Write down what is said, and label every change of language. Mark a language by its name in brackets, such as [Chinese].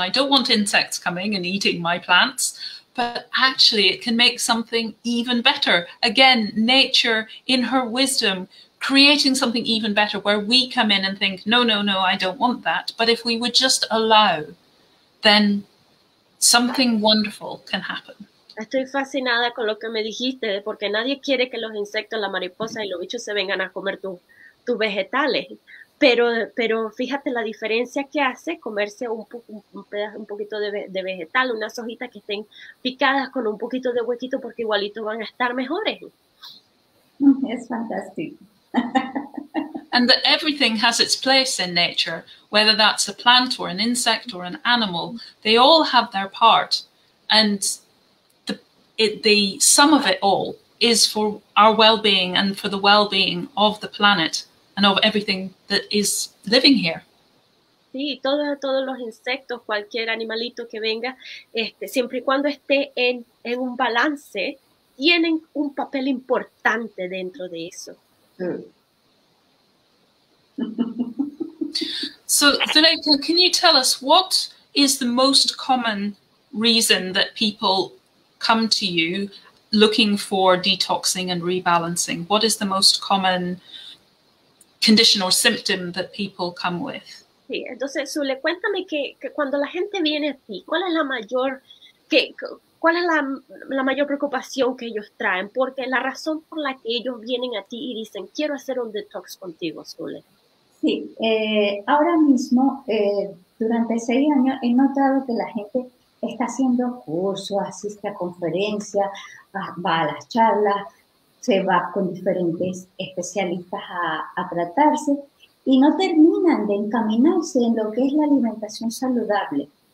[English] I don't want insects coming and eating my plants. But actually, it can make something even better. Again, nature, in her wisdom, creating something even better, where we come in and think, no, no, no, I don't want that. But if we would just allow, then something wonderful can happen. [Spanish] Estoy fascinada con lo que me dijiste, porque nadie quiere que los insectos, la mariposa y los bichos se vengan a comer tus vegetales. Pero fíjate la diferencia que hace comerse un poquito de vegetal, unas hojitas que estén picadas con un poquito de huequito, porque igualito van a estar mejores. Es fantástico. [English] And that everything has its place in nature, whether that's a plant or an insect or an animal, they all have their part. And the sum of it all is for our well-being and for the well-being of the planet and of everything that is living here. [Spanish] Sí, todos los insectos, cualquier animalito que venga, siempre y cuando esté en un balance, tienen un papel importante dentro de eso. [English] So, Zuleika, can you tell us what is the most common reason that people come to you looking for detoxing and rebalancing? What is the most common condition or symptom that people come with? [Spanish] Sí, entonces, Zule, cuéntame que cuando la gente viene a ti, ¿cuál es la mayor, cuál es la mayor preocupación que ellos traen? Porque la razón por la que ellos vienen a ti y dicen, quiero hacer un detox contigo, Zule. Sí, ahora mismo, durante 6 años, he notado que la gente está haciendo cursos, asiste a conferencias, va a las charlas, se va con diferentes especialistas a tratarse y no terminan de encaminarse en lo que es la alimentación saludable.